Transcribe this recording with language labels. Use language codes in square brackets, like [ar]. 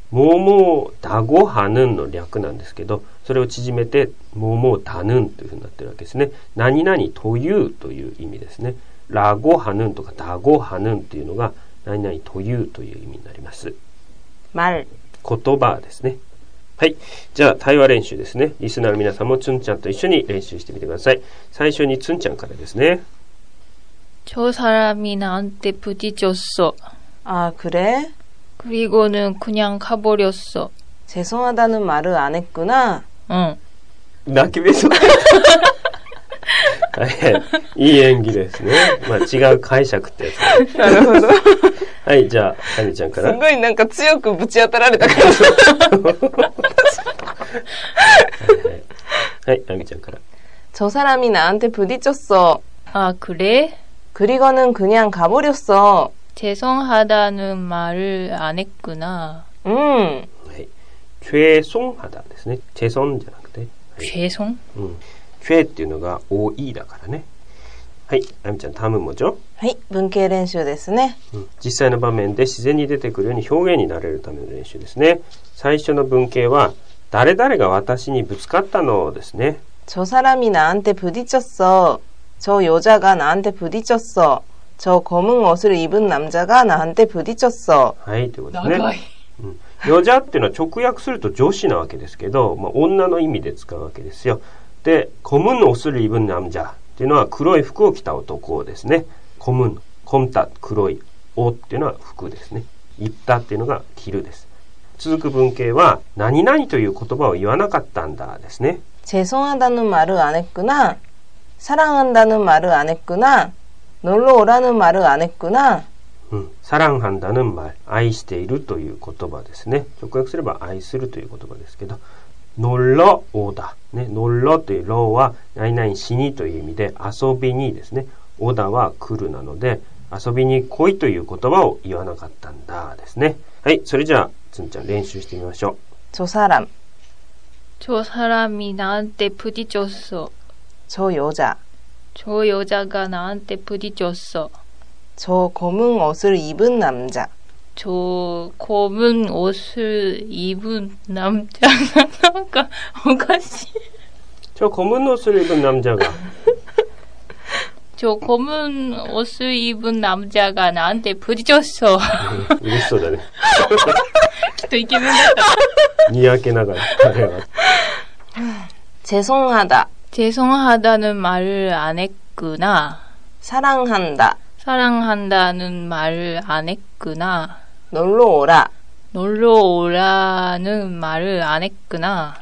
[ja] ももだごはぬんの略なんですけど、それを縮めて、ももだぬんというふうになってるわけですね。何々というという意味ですね。 [ko] 라고하는 [ja] とかだご하는っていうのが何々というという意味になります。 [ko] 말 [ja] 言葉ですね。はい、じゃあ対話練習ですね。リスナーの皆さんもツンちゃんと一緒に練習してみてください。最初にツンちゃんからですね。 [ko] 저사람이나한테부딪혔어。 아그래 그리고는그냥가버렸어。 죄송하다는말을안했구나。 응 나기왜속해 [ja] いい演技ですね。まあ違う解釈ってやつ。なるほど。はい、じゃあ、ハニちゃんから。すごいなんか強くぶち当たられた感じ。はい、ハニちゃんから。 [ko] 저사람이나한테부딪혔어。あ、그래 그리고는그냥가버렸어。 죄송하다는말을안했구나。 [ja] はい。죄송하다ですね。죄송じゃなくて。はい、죄송 フェっていうのが多いだからね。はい、あみちゃん、タムもじょ。はい、文型練習ですね。実際の場面で自然に出てくるように表現になれるための練習ですね。最初の文型は誰々が私にぶつかったのですね。 [ko] 저사람이나한테부딪혔어。 저여자가나한테부딪혔어。 저검은옷을입은남자가나한테부딪혔어。 [ja] はい、ということですね。長い。 여자っていうのは直訳すると女子なわけですけど、まあ、女の意味で使うわけですよ。で、コムンオスルイブンナムジャっていうのは黒い服を着た男ですね。コムン、コムタ、黒い、オっていうのは服ですね。イッタっていうのが着るです。続く文型は、何々という言葉を言わなかったんだですね。 [ko] 죄송하다는말을안했구나。사랑한다는말을안했구나。 놀러오라는말을안했구나。 [ja] 사랑한다는말、愛しているという言葉ですね。直訳すれば愛するという言葉ですけど。ノロオダ。ね、ノロというローは、何々しにという意味で、遊びにですね。オダは来るなので、遊びに来いという言葉を言わなかったんだですね。はい、それじゃあ、つんちゃん練習してみましょう。 [ko] 저사람。 저사람이나한테부딪혔어。 저여자。 저여자가나한테부딪혔어。 저검은옷을입은남자。 저검은옷을입은남자가 [ja] なんかおかしい。 [ko] 저검은옷을입은남자가 저검은옷을입은남자가나한테부딪혔어。 [ja] うれしそうだね。きっとイケメンだった。にやけながら。 [ko] 죄송하다。 죄송하다는말을안했구나。 사랑한다。 사랑한다는말을안했구나。 놀러오라。 놀러오라는말을안했구나。